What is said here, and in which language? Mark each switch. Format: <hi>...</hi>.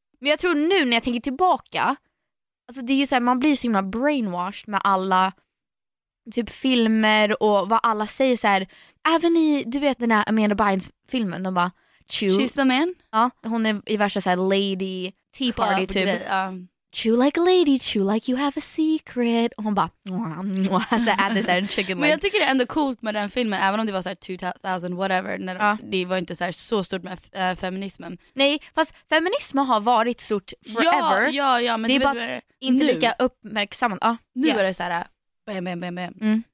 <sv>Men jag tror nu när jag tänker tillbaka, alltså det är ju så här, man blir ju så himla brainwashed med alla typ filmer och vad alla säger, så här, även i, du vet den här Amanda Bynes-filmen, de bara,</sv> <en>she's the man.</en> <sv>Ja, hon är i värsta så här</sv> <en>lady tea party club</en> <sv>typ.</sv> <en>Chew like a lady, chew like you have a secret.</en> <sv>Och hon bara... Så</sv> <en>add this and chicken.</en> <sv>Men jag tycker det är ändå coolt med den filmen, även om det var så här 2000, whatever. När det var inte så här så stort med feminismen. Nej, fast feminismen har varit stort forever. Ja, men det är bara inte lika uppmärksammat. Nu är det så här... Bam, bam, bam, bam.</sv>